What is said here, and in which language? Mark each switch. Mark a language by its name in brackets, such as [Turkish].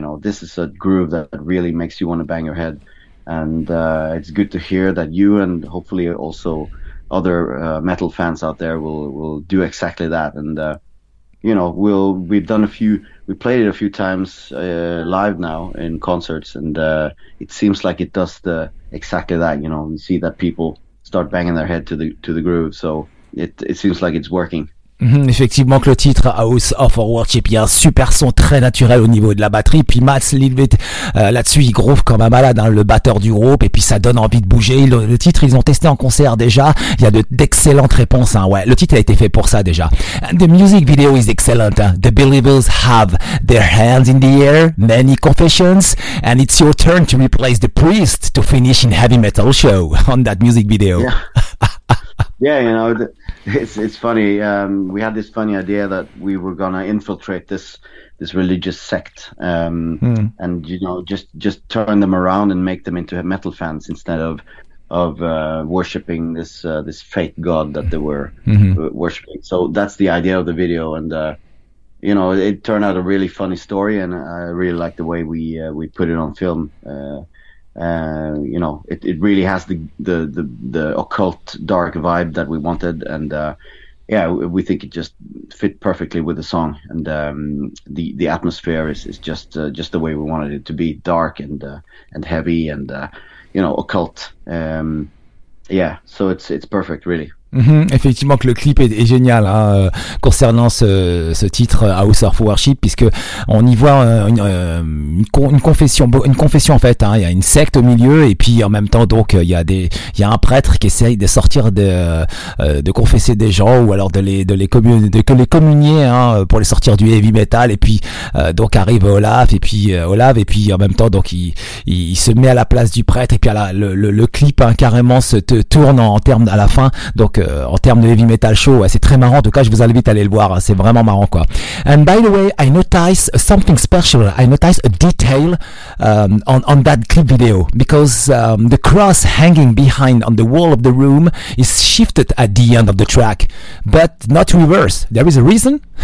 [English] You know, this is a groove that really makes you want to bang your head. And it's good to hear that you, and hopefully also other metal fans out there, will do exactly that. And you know, we played it a few times live now in concerts, and it seems like it does exactly that. You know, you see that people start banging their head to the groove, so it seems like it's working. [French] Effectivement que le titre House of Worship, il y a un super son très naturel au niveau de la batterie, puis Mats Lilveit là-dessus il groove comme un malade, hein, le batteur du groupe, et puis ça donne envie de bouger. Le titre ils ont testé en concert déjà, il y a d'excellentes réponses, hein. Ouais, le titre a été fait pour ça déjà. [English] And the music video is excellent, hein. The believers have their hands in the air, many confessions, and it's your turn to replace the priest to finish in heavy metal show on that music video. Yeah, you know, it's funny. We had this funny idea that we were gonna infiltrate this religious sect, and you know, just turn them around and make them into metal fans instead of worshiping this fake god that they were worshiping. So that's the idea of the video, and you know, it turned out a really funny story, and I really like the way we put it on film. You know, it really has the occult dark vibe that we wanted, and yeah, we think it just fit perfectly with the song, and the atmosphere is just the way we wanted it to be, dark and heavy and you know, occult. Yeah, so it's perfect, really. [French] Effectivement que le clip est génial, hein, concernant ce titre House of Worship, puisque on y voit une confession en fait, hein. Il y a une secte au milieu, et puis en même temps donc il y a un prêtre qui essaye de sortir de confesser des gens, ou alors de les communier, hein, pour les sortir du heavy metal, et puis donc arrive Olaf, et puis en même temps donc il se met à la place du prêtre, et puis le clip, hein, carrément se tourne en termes à la fin, donc en termes de heavy metal show, ouais, c'est très marrant. En tout cas, je vous invite à aller le voir, hein, c'est vraiment marrant, quoi. [English] And by the way, I noticed something special. I noticed a detail on that clip video, because the cross hanging behind on the wall of the room is shifted at the end of the track, but not reverse. There is a reason.